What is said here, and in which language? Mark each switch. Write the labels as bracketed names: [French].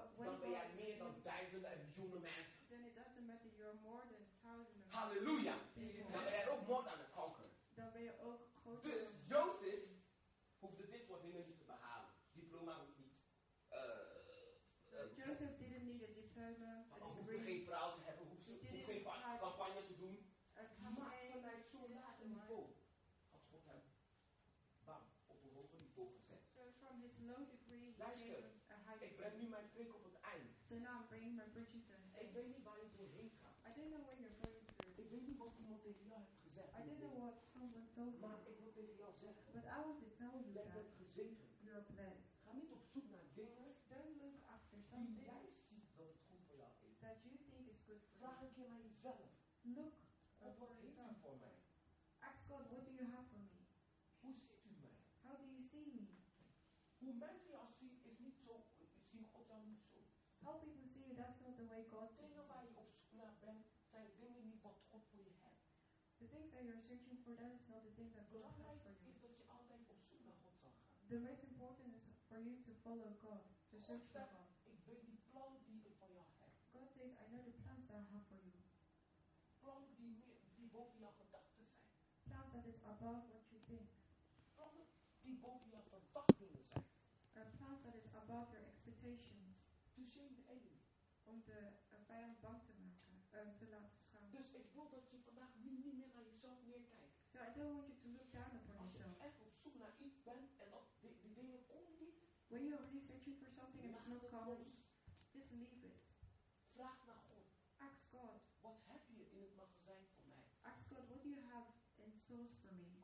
[Dutch] dan ben jij meer dan duizenden en miljoenen mensen. [English] Then it doesn't matter, you're more than thousands of halleluja! People. [Dutch] Dan ben jij ook [English] more than a conqueror. [Dutch] Dan ben je ook groter. Dus Jozef hoefde dit soort dingen niet te behalen. Diploma hoeft niet. [English] Joseph didn't need a diploma. [Dutch] Hoeft geen verhaal te hebben. Hoeft geen campagne te doen. Maar vanuit zo'n lage niveau had God hem bam, op een hoger niveau gezet. [English] So from his low degree, [Dutch] ik breng nu mijn preek op het eind. [English] So now I'm bringing my bridge to an [Dutch] end. Ik weet niet waar ik doorheen ga. [English] I don't know where you're going through. [Dutch] Ik weet niet wat iemand tegen jou heeft gezegd. [English] I don't know what someone told [Dutch] me. Maar ik wil tegen jou zeggen. [English] But I want to tell you that. [Dutch] Jij bent gezegend. Ga niet op zoek naar dingen. [English] Don't look after something. [Dutch] Die jij ziet dat het goed voor jou is. [English] That you think is good for [Dutch] vraag [English] you. [Dutch] Een keer naar jezelf. [English] Look. [Dutch] God, wat heeft u voor mij? [English] Ask God, what do you have for me? [Dutch] Hoe ziet u mij? [English] How do you see me? [Dutch] Hoe mensen jou zien is niet zo. Zien God jou niet zo. [English] How people see you, that's not the way God sees you. [Dutch] Waar je op zoek naar bent, zijn dingen niet wat God voor je hebt. [English] The things that you're searching for, that is not the things that God has for you. [Dutch] Is dat je altijd op zoek naar God zal gaan. [English] The most important is for you to follow God, to search for God. [Dutch] Ik weet die plan die ik voor jou heb. [English] God says, I know the plans that I have for you. [Dutch] Plan die boven jouw gedachten zijn. [English] Plans that is above what you think. [Dutch] Plan die boven jouw verwachtingen zijn. [English] Plans that is above your expectations. To shame the enemy. [Dutch] Om de vijand bang te maken, te laten schamen. Dus ik wil dat je vandaag niet meer naar jezelf neerkijkt. [English] So I don't want you to look down upon [Dutch] als [English] yourself. [Dutch] Als je echt op zoek naar iets bent en dat die dingen komen niet. [English] When you're really searching for something and it's not coming, just leave it. [Dutch] Vraag naar God. [English] Ask God. [Dutch] What heb je in het magazijn voor mij? [English] Ask God, what do you have in stores for me?